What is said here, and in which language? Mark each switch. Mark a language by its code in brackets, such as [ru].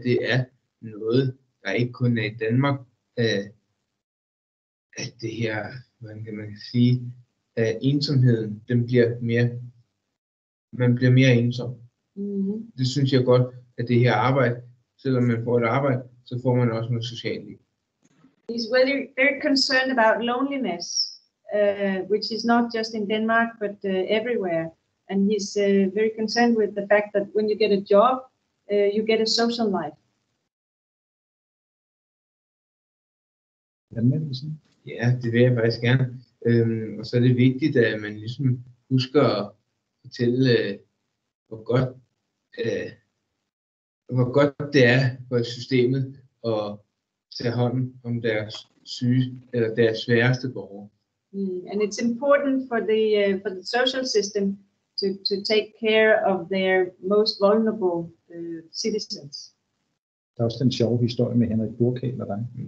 [da] Det er noget, der ikke kun er i Danmark, at det her, hvordan kan man sige, at ensomheden, den bliver mere, man bliver mere ensom. Mm-hmm. Det synes jeg godt, at det her arbejde, selvom man får et arbejde, så får man også noget socialt liv. [en] He's very, very concerned about loneliness, which is not just in Denmark, but everywhere. And he's very concerned with the fact that when you get a job, you get a social life. [da] Ja, det vil jeg faktisk gerne. Og så er det vigtigt, at man ligesom husker at fortælle, hvor godt det er for systemet at tage hånd om deres syge eller deres sværeste borgere. [en] And it's important for the social system to take care of their most vulnerable citizens. [da] Der er også den sjove historie med Henrik Burkhæl og dig.